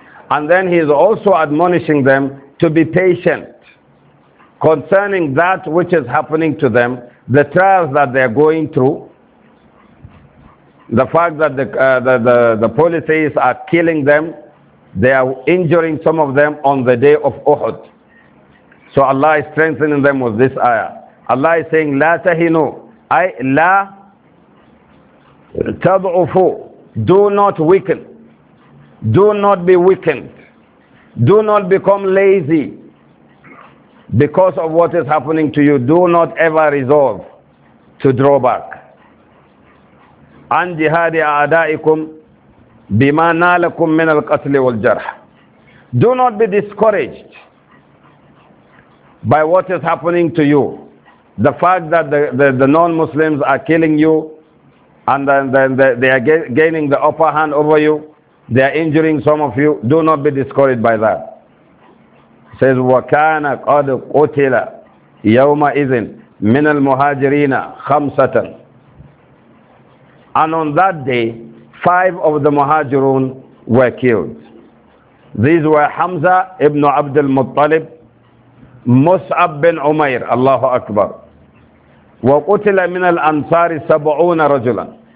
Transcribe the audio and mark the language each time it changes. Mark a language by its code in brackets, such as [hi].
[en] And then he's also admonishing them to be patient concerning that which is happening to them, the trials that they're going through, the fact that the polytheists are killing them, they are injuring some of them on the day of Uhud. So Allah is strengthening them with this ayah. [ar] Allah is saying, لا تهنوا أي لا تضعفوا. [en] Do not weaken. Do not be weakened. Do not become lazy because of what is happening to you. Do not ever resolve to draw back. [ar] عن جهاد أعدائكم بما نالكم من القتل والجرح. [en] Do not be discouraged by what is happening to you. The fact that the non-Muslims are killing you, and then they are gaining the upper hand over you, they are injuring some of you, do not be discouraged by that. [ar] It says, وَكَانَ قَدْ قُتِلَ يَوْمَئِذٍ مِنَ الْمُهَاجِرِينَ خَمْسَةً. [en] And on that day, five of the Muhajirun were killed. These were Hamza ibn Abd al-Muttalib, Mus'ab bin Umair, Allahu Akbar. [ar] وَقُتِلَ مِنَ الْأَنْصَارِ سَبْعُونَ رَجُلًا.